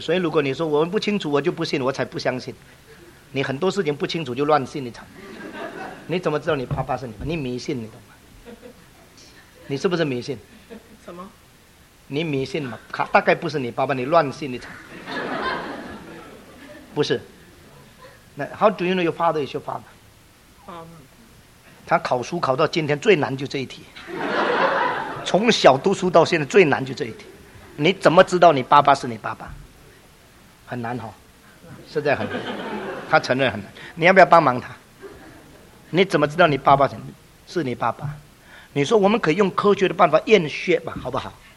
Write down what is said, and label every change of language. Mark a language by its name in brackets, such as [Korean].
[Chinese] 所以如果你说我们不清楚，我就不信，我才不相信。你很多事情不清楚就乱信一场。你怎么知道你爸爸是你爸？你迷信，你懂吗？你是不是迷信？什么？你迷信吗？他大概不是你爸爸，你乱信一场。不是。 [English] 那 How do you know your father is your father？ [Chinese] 他考书考到今天最难就这一题。从小读书到现在最难就这一题。你怎么知道你爸爸是你爸爸？很难哈，实在很难。他承认很难。你要不要帮忙他？你怎么知道你爸爸是你爸爸？你说我们可以用科学的办法验血吧，好不好？